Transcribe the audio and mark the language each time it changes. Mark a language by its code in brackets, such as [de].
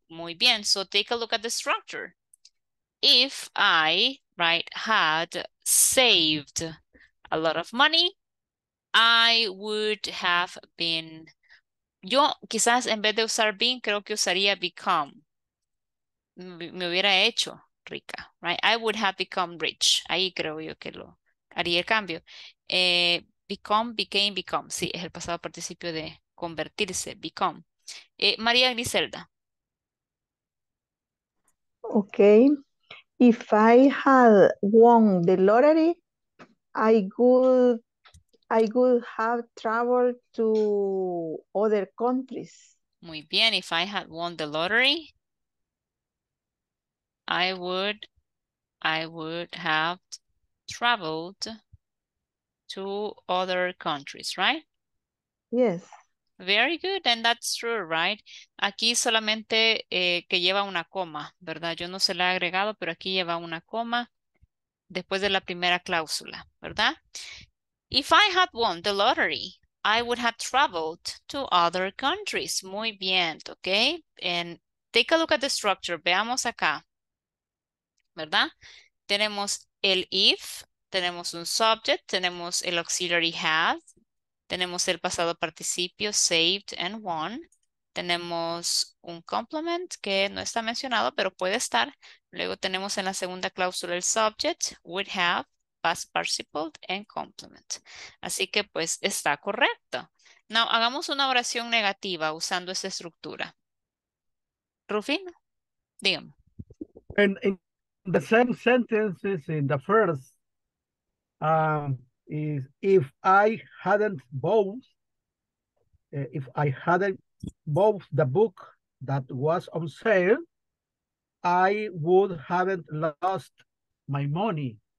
[es] Muy bien, [en] so take a look at the structure. If I, right, had saved a lot of money, I would have been, [es] yo quizás en vez de usar been, creo que usaría become. Me hubiera hecho rica, right? [en] I would have become rich. [es] Ahí creo yo que lo haría el cambio. Become, became, become. Sí, es el pasado participio de convertirse, become. María Griselda. [en] Okay. If I had won the lottery, I would have traveled to other countries. [es] Muy bien. [en] If I had won the lottery, I would have traveled to other countries, right? Yes. Very good, and that's true, right? [es] Aquí solamente que lleva una coma, ¿verdad? Yo no se la he agregado, pero aquí lleva una coma después de la primera cláusula, ¿verdad? [en] If I had won the lottery, I would have traveled to other countries. [es] Muy bien, [en] okay? And take a look at the structure. [es] Veamos acá, ¿verdad? Tenemos el if, tenemos un subject, tenemos el auxiliary have, tenemos el pasado participio, saved and won. Tenemos un complement que no está mencionado, pero puede estar. Luego tenemos en la segunda cláusula el subject, would have, past participle and complement. Así que pues está correcto. Now, hagamos una oración negativa usando esa estructura. Rufin, dígame. [en] In the same sentences in the first, is if I hadn't bought the book that was on sale, I would haven't lost my money.